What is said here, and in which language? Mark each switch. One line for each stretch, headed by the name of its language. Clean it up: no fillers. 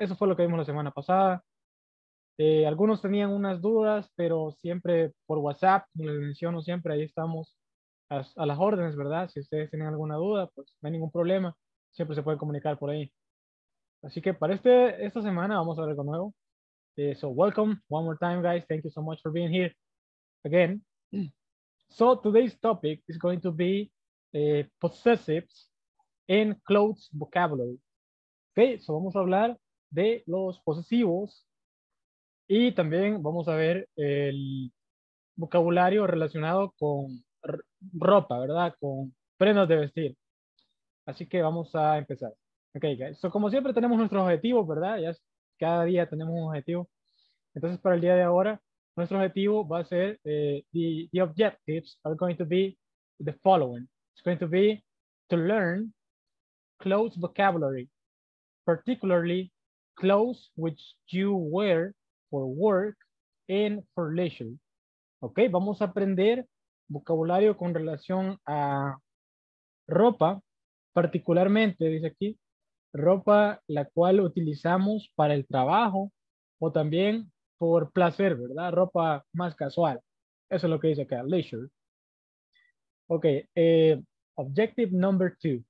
Spanish: Eso fue lo que vimos la semana pasada. Algunos tenían unas dudas, pero siempre por WhatsApp, como les menciono siempre, ahí estamos a las órdenes, ¿verdad? Si ustedes tienen alguna duda, pues no hay ningún problema, siempre se puede comunicar por ahí. Así que para esta semana vamos a ver con nuevo.
English: So welcome one more time, guys. Thank you so much for being here again. So today's topic is going to be possessives in clothes vocabulary. Okay, so
Spanish: vamos a hablar de los posesivos Y también vamos a ver el vocabulario relacionado con ropa, ¿verdad? Con prendas de vestir. Así que vamos a empezar. Ok, so, como siempre tenemos nuestros objetivos, ¿verdad? Ya cada día tenemos un objetivo. Entonces, para el día de ahora, nuestro objetivo va a ser
English: the objectives are going to be the following. It's going to be to learn clothes vocabulary, particularly clothes which you wear for work and for leisure.
Spanish: Ok, vamos a aprender vocabulario con relación a ropa, particularmente, dice aquí, ropa la cual utilizamos para el trabajo o también por placer, ¿verdad? Ropa más casual. Eso es lo que dice acá, leisure.
English: Ok, objective number two.